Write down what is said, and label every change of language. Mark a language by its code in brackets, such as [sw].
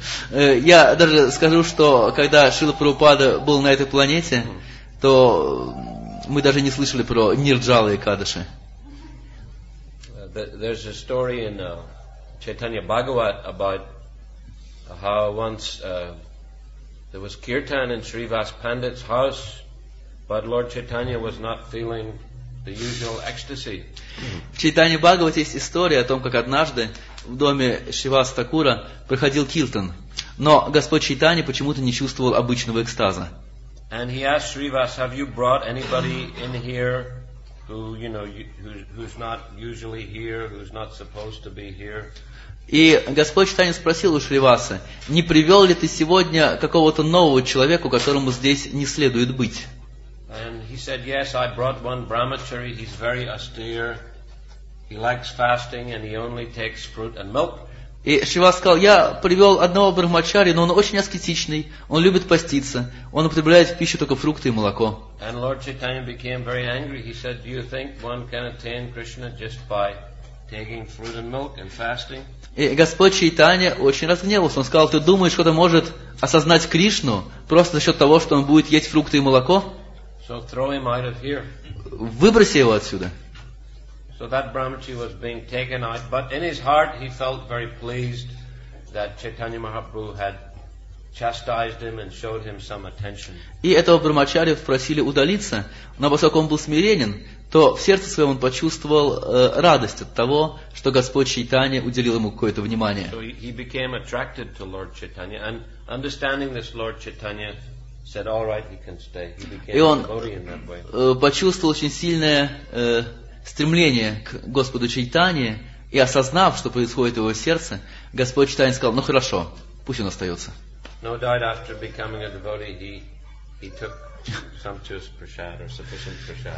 [ru] Я даже скажу, что когда Шрила Прабхупада был на этой планете, то мы даже не слышали про Нирджалу Экадаши. [en] There's a story in Chaitanya Bhagavat about how once there was kirtan in Srivas Pandit's house, but Lord Chaitanya was not feeling the usual ecstasy. [ru] В Чайтанье Бхагавате есть история о том, как однажды в доме Шривас Такура проходил киртан, но Господь Чайтанья почему-то не чувствовал обычного экстаза. [en] And he asked Srivas, "Have you brought anybody in here?" Who, you know, who's not usually here, who's not supposed to be here. [ru] И Господь Чайтанья спросил у Шриваса, не привел ли ты сегодня какого-то нового человека, которому здесь не следует быть? [en] And he said, yes, I brought one brahmachari, he's very austere, he likes fasting and he only takes fruit and milk. [ru] И Шривас сказал, я привел одного брахмачари, но он очень аскетичный, он любит поститься, он употребляет в пищу только фрукты и молоко. [en] Said, [ru] и Господь Чайтанья очень разгневался, он сказал, ты думаешь, кто-то может осознать Кришну просто за счет того, что он будет есть фрукты и молоко? [en] So throw him out of here. [ru] Выброси его отсюда. [en] So that brahmachari was being taken out, but in his heart he felt very pleased that Chaitanya Mahaprabhu had chastised him and showed him some attention. [ru] И этого брахмачарию просили удалиться, но поскольку он был смиренен, то в сердце своем он почувствовал радость от того, что Господь Чайтанья уделил ему какое-то внимание. [en] So he became attracted to Lord Chaitanya, and understanding this, Lord Chaitanya said, "All right, he can stay." He became a devotee in that way. [ru] И он почувствовал очень сильное стремление к Господу Чайтанье, и осознав, что происходит в его сердце, Господь Чайтанья сказал, ну хорошо, пусть он остается. [en] No doubt after becoming a devotee, he took sumptuous prasad or sufficient prasad.